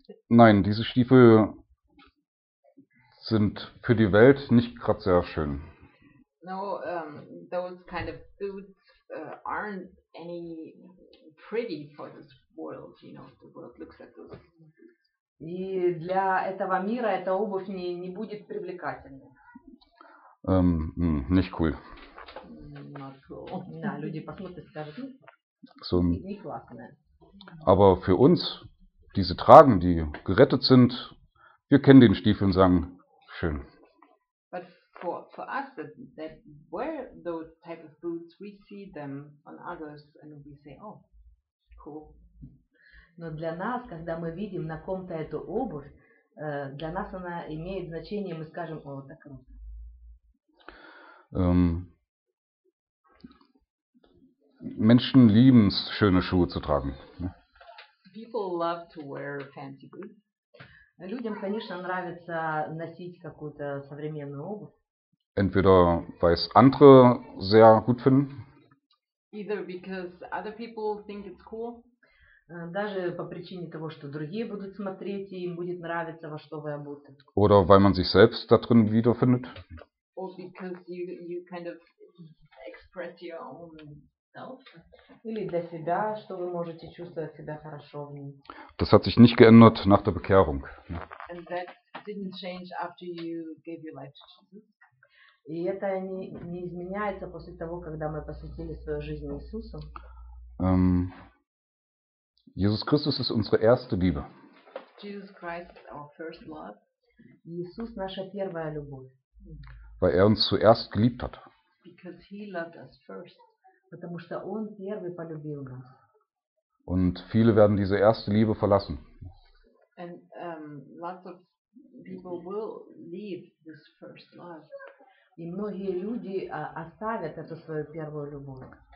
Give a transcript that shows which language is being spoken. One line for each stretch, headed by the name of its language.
German: Nein, diese Stiefel sind für die Welt nicht gerade sehr schön.
English: No, those kind of boots aren't any pretty for this world, you know, the world looks at those.
Russian: И для этого мира эта обувь не будет привлекательной.
German: Nicht cool.
English: Not cool.
Russian: Да, люди посмотрят и скажут, не классная.
German: Aber für uns, die sie tragen, die gerettet sind, wir kennen den Stiefel und sagen, schön.
English: But for us, that wear those type of boots, we see them on others and we say, oh, cool.
Russian: Но для нас, когда мы видим на ком-то эту обувь, для нас она имеет значение, мы скажем, о, так круто.
German: Menschen lieben es, schöne Schuhe zu tragen.
English: People love to wear fancy boots.
Russian: Людям, конечно, нравится носить какую-то современную обувь.
German: Entweder, weil es andere sehr gut finden.
English: Either because other people think it's cool.
Russian: Даже по причине того, что другие будут смотреть, и им будет нравиться, во что вы обуты.
German: Oder weil man sich selbst da drin wiederfindet.
English: Or because you kind of express your own self.
Russian: Или для себя, что вы можете чувствовать себя хорошо в ней.
German: Das hat sich nicht geändert nach der Bekehrung.
English: And that didn't change after you gave your life to Jesus.
Russian: И это не изменяется после того, когда мы посвятили свою жизнь Иисусу.
German: Jesus Christus ist unsere erste Liebe.
English: Jesus Christ is our first love.
Russian: Иисус наша первая любовь.
German: Weil er uns zuerst geliebt hat.
English: Because he loved us first.
Russian: Потому что он первый полюбил нас.
German: Und viele werden diese erste Liebe verlassen.
English: And lots of people will leave this first love.
Russian: И многие люди оставят эту свою первую любовь.